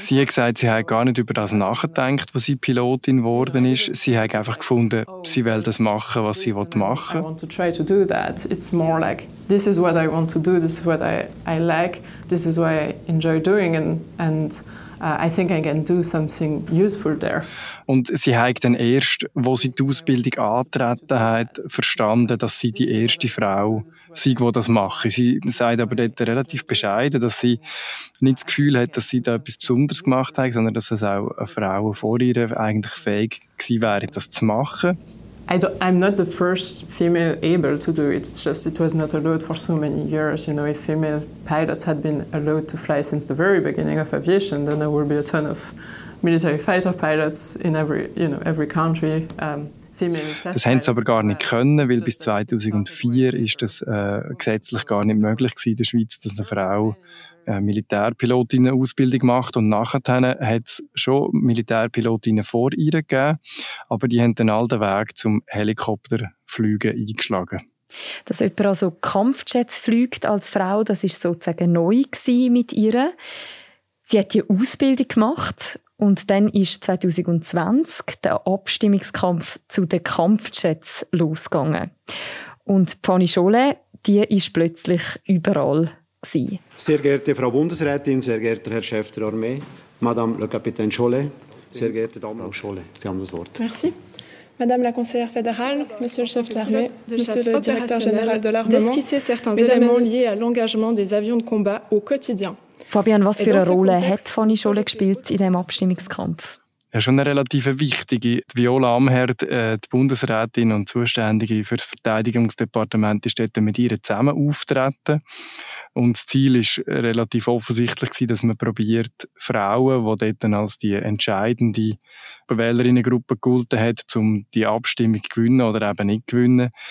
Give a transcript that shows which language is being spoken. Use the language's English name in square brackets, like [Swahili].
[German] Sie hat gesagt, sie hat gar nicht über das nachgedacht, wo sie Pilotin geworden ist. Sie hat einfach gefunden, sie will das machen, was sie will machen. [English] I want to try to do that. It's more like, this is what I want to do, this is what I like, this is what I enjoy doing I think I can do something useful there. [German] Und sie hat dann erst, wo sie die Ausbildung angetreten hat, verstanden, dass sie die erste Frau sei, die das mache. Sie sagt aber dort relativ bescheiden, dass sie nicht das Gefühl hat, dass sie da etwas Besonderes gemacht hat, sondern dass es auch eine Frau vor ihr eigentlich fähig gewesen wäre, das zu machen. [English] I'm not the first female able to do it. It's just it was not allowed for so many years. You know, if female pilots had been allowed to fly since the very beginning of aviation, then there would be a ton of military fighter pilots in every country. [German] Das haben sie aber gar nicht können, weil bis 2004 ist das gesetzlich gar nicht möglich gewesen in der Schweiz, dass eine Frau Militärpilotinnen-Ausbildung macht. Und nachher hat es schon Militärpilotinnen vor ihr gegeben, aber die haben dann all den Weg zum Helikopterfliegen eingeschlagen. Dass jemand also Kampfjets fliegt als Frau, das war sozusagen neu gewesen mit ihr. Sie hat die Ausbildung gemacht. Und dann ist 2020 der Abstimmungskampf zu den Kampfjets losgegangen. Und Fanny Scholle, die ist plötzlich überall gewesen. Sehr geehrte Frau Bundesrätin, sehr geehrter Herr Chef der Armee, [French] Madame le Capitaine Scholle, [German] sehr geehrte Dame Frau Scholle, Sie haben das Wort. [French] Merci. Madame la conseillère fédérale, Monsieur le chef de l'armée, Monsieur le directeur général de l'armement, d'esquisser certains éléments liés à l'engagement des avions de combat au quotidien. [German] Fabian, was für eine Rolle hat Fanny Scholle gespielt in diesem Abstimmungskampf? Ja, schon eine relativ wichtige. Viola Amherd, die Bundesrätin und Zuständige für das Verteidigungsdepartement, ist dort mit ihr zusammen auftreten. Und das Ziel war relativ offensichtlich, dass man probiert, Frauen, die dort als die entscheidende Wählerinnengruppe gegolten hat, um die Abstimmung zu gewinnen oder eben nicht zu gewinnen.